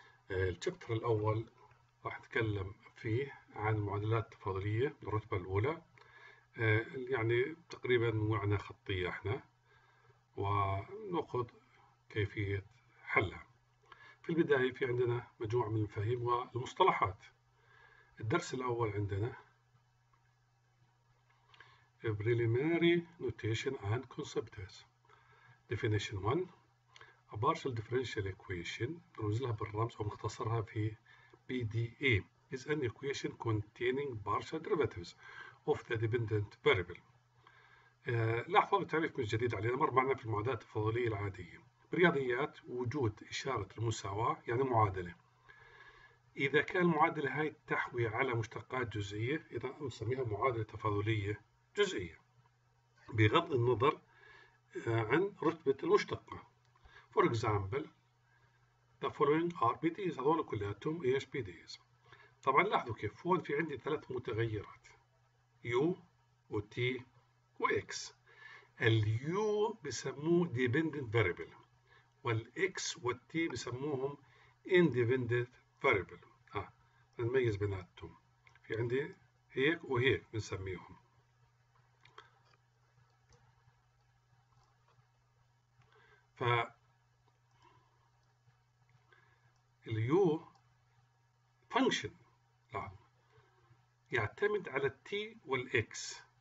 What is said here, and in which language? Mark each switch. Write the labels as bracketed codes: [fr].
[ar] الشابتر الأول راح أتكلم فيه عن معادلات تفاضلية بالرتبة الأولى، يعني تقريبا نوعنا خطية إحنا، وناخذ كيفية حلها. في البداية في عندنا مجموعة من المفاهيم والمصطلحات. [en] الدرس الأول عندنا Preliminary Notation and Concepts. Definition 1: A partial differential equation, نرمز لها بالرمز أو مختصرها في PDE, is an equation containing partial derivatives of the dependent variable. [ar] لاحظوا التعريف مش جديد علينا، مر معنا في المعادلات التفاضلية العادية. بالرياضيات وجود إشارة المساواة يعني معادلة. إذا كان المعادلة هاي تحوي على مشتقات جزئية، إذا نسميها معادلة تفاضلية جزئية بغض النظر عن رتبة المشتقة. [en] For example, the following are PDEs. [ar] هذول كلياتهم إيش PDEs. طبعا لاحظوا كيف هون في عندي ثلاث متغيرات U و T و X. ال U بسموه dependent variable، وال X وال T بسموهم independent variable. نميز بيناتهم، في عندي هيك وهيك بنسميهم. فالـ U function يعتمد على الـ T والـ X.